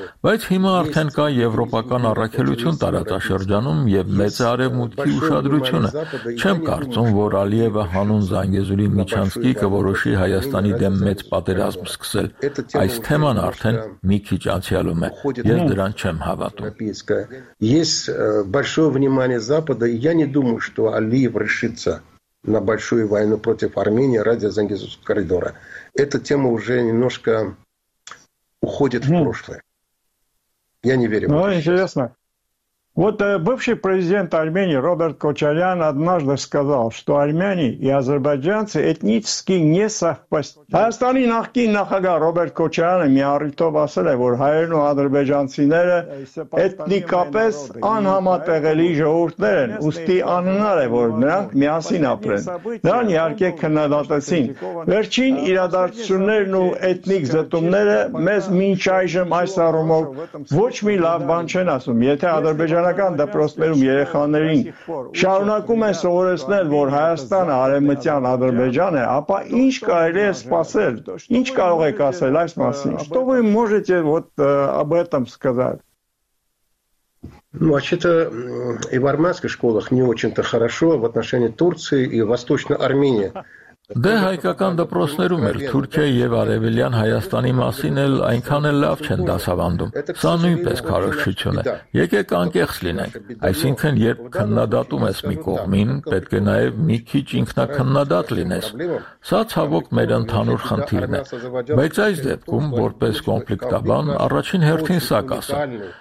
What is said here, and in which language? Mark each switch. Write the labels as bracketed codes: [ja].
[hy] Բայց հիմա արդեն կա եվրոպական առաքելություն տարածաշրջանում եւ մեծ արևմուտքի ուշադրությունը։ Չեմ կարծում, որ Ալիևը հանուն Զանգեզուրի միջանցքի կորոշի Հայաստանի դեմ մեծ պատերազմ սկսել։ Այս թեման արդեն մի քիչ անց Ես դրան չեմ հավատում։ [ru] Ես большое внимание Запада, я не думаю, что Алиев решится на большую войну против Армении ради Зангезурского коридора. Эта тема уже немножко уходит в прошлое. Я не верю. Ну, интересно. Вот бывший президент Армении Роберт Кочарян однажды сказал, что армяне и азербайджанцы этнически не совпадают. [hy] Հայաստանի նախկին նախագահ Ռոբերտ Քոչարյանը միառիտով ասել է, որ հայերն ու ադրբեջանցիները էթնիկապես անհամատեղելի ժողովուրդներ են, ուստի անհնար է, որ նրանք միասին ապրեն։ Նրան իհարկե քննադատեցին։ Վերջին իրադարձություններն ու էթնիկ զտումները մեզ մինչ այժմ այս առումով ոչ մի լավ բան չեն ասում, եթե ադրբեջանցի ժանական դպրոցներում երեխաներին շարունակում են սովորեցնել, որ Հայաստանը արևմտյան Ադրբեջան է, ապա ինչ կարելի է սпасել, ինչ կարող եք ասել այս մասին, [ru] что вы можете вот об этом сказать? Ну, вообще-то и в армянских школах не очень-то хорошо в отношении Турции и Восточной Армении. [hy] Դե հայկական դպրոցներում էլ Թուրքիայի եւ Արևելյան Հայաստանի մասին էլ այնքան էլ լավ չեն դասավանդում։ Սա նույնպես քարոշչություն է։ Եկեք անկեղծ լինենք։ Այսինքն, երբ քննադատում ես մի կողմին, պետք է նաեւ մի քիչ ինքնաքննադատ լինես։ Սա ցավոք մեր ընդհանուր խնդիրն է։ Բայց այս դեպքում, որպես կոնֆլիկտաբան, առաջին հերթին սա կասեմ.